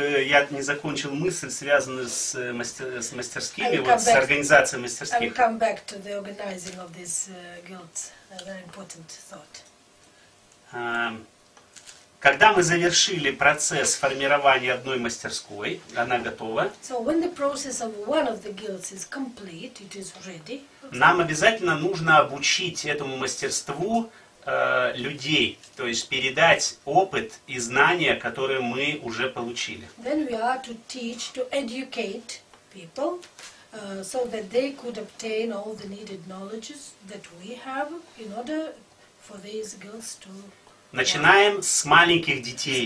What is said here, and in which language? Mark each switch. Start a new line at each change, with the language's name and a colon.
Russian: Я не закончил мысль, связанную с мастерскими, вот, с организацией мастерских.
English: I'll come back to the organizing of this guild. A very important thought.
Russian: Когда мы завершили процесс формирования одной мастерской, она готова.
English: So when the process of one of the guilds is complete, it is ready.
Russian: Нам обязательно нужно обучить этому мастерству людей, то есть передать опыт и знания, которые мы уже получили.
English: Then we are to teach, to educate people, so that they could obtain all the needed knowledges that we have in order for these girls to
Russian: Начинаем с маленьких детей,